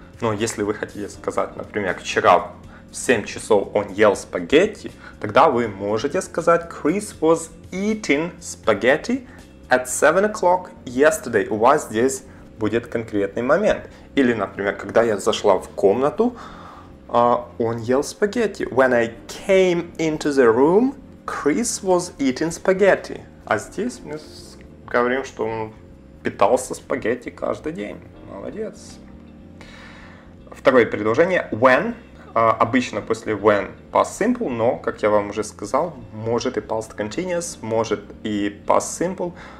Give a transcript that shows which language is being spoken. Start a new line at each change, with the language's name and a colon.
Russian: Но если вы хотите сказать, например, вчера в 7 часов он ел спагетти, тогда вы можете сказать
English: Chris was eating spaghetti at 7 o'clock yesterday.
Russian: У вас здесь будет конкретный момент. Или, например, когда я зашла в комнату, он ел спагетти.
English: When I came into the room, Chris was eating spaghetti.
Russian: А здесь мы говорим, что он питался спагетти каждый день. Молодец. Второе предложение. When. Обычно после when past simple, но, как я вам уже сказал, может и past continuous, может и past simple.